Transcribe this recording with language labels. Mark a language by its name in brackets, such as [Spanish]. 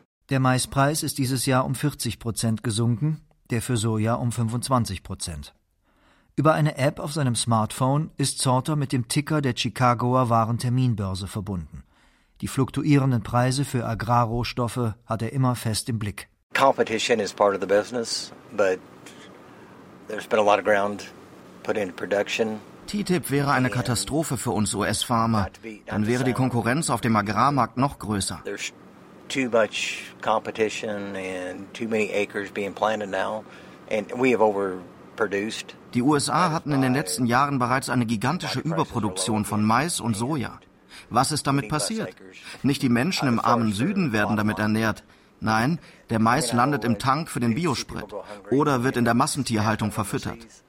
[German] Der Maispreis ist dieses Jahr um 40% gesunken, der für Soja um 25%. Über eine App auf seinem Smartphone ist Sauter mit dem Ticker der Chicagoer Warenterminbörse verbunden. Die fluktuierenden Preise für Agrarrohstoffe hat er immer fest im Blick. [English] Competition is part of the business, but there's been a lot of ground put into production. [German] TTIP wäre eine Katastrophe für uns US-Farmer. Dann wäre die Konkurrenz auf dem Agrarmarkt noch größer. [English] There's too much competition and too many acres being planted now, and we have overproduced. [German] Die USA hatten in den letzten Jahren bereits eine gigantische Überproduktion von Mais und Soja. Was ist damit passiert? Nicht die Menschen im armen Süden werden damit ernährt. Nein, der Mais landet im Tank für den Biosprit oder wird in der Massentierhaltung verfüttert.